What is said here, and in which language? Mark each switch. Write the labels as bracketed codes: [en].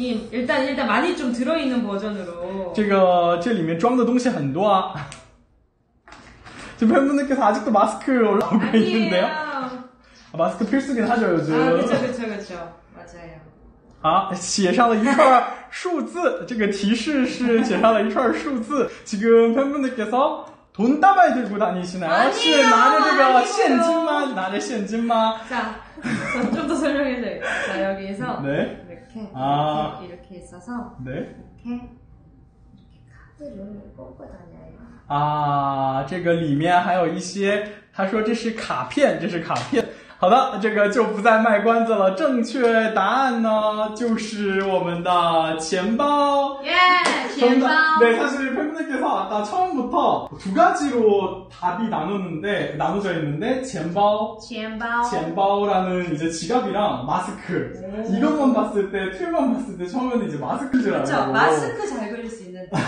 [ko] 일단 많이 좀 들어있는 버전으로. [zh] 这里面装的东西很多啊. [ko] 지금 팬분들께서 아직도 마스크 올라오고 아니에요. 있는데요? 아, 마스크 필수긴 하죠, 요즘. 아, 그쵸. 맞아요. [zh] 아, 写上了一串数字. 这个提示是写上了一串数字. [ko] 지금 팬분들께서 돈다발 들고 다니시나요? 아니에요, 혹시 [zh] 拿着这个现金吗? [ko] 자, 좀 더 설명해드릴게요. 자, 여기에서. 네. 이렇게 있어서 네? 이렇게 카드를 꽂고 다녀요. [zh] 아, 这个里面还有一些，他说这是卡片，这是卡片。好的，这个就不再卖关子了。正确答案呢，就是我们的钱包。 예, yeah, 钱包. [ko] 네, 사실 팬분들께서 아까 처음부터 두 가지로 답이 나눠져 있는데, 钱包라는 이제 지갑이랑 마스크. 이것만 봤을 때, 틀만 봤을 때 처음에는 이제 마스크 줄 알았어요. 그렇죠, 마스크 잘 그릴 수 있는.